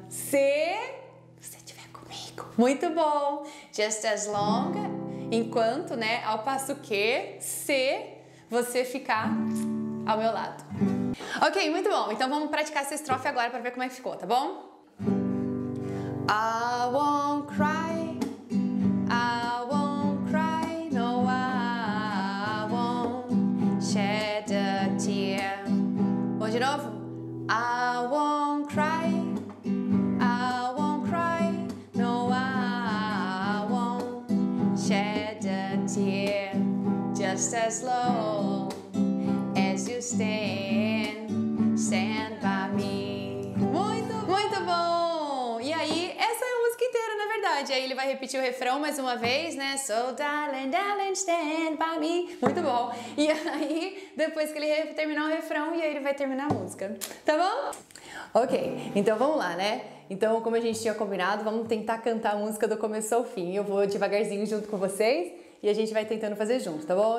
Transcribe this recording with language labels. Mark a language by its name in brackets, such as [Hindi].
[Portuguese] Se você estiver comigo. Muito bom. [English] Just as long. [Portuguese] Enquanto, né? Ao passo que, se você ficar ao meu lado. Ok, muito bom. Então vamos praticar essa estrofe agora para ver como é que ficou, tá bom? [English] I won't cry, I won't cry, no, I won't shed a tear. [Portuguese] Bom, de novo. [English] I won't cry, I won't cry, no, I won't shed a tear. Just as long as you stay. Stand by me. [Portuguese] Muito, muito bom! E aí, essa é a música inteira, na verdade. Aí ele vai repetir o refrão mais uma vez, né? [English] So darling, darling, stand by me. [Portuguese] Muito bom! E aí, depois que ele terminar o refrão, e aí ele vai terminar a música. Tá bom? Ok, então vamos lá, né? Então, como a gente tinha combinado, vamos tentar cantar a música do começo ao fim. Eu vou devagarzinho junto com vocês e a gente vai tentando fazer junto, tá bom?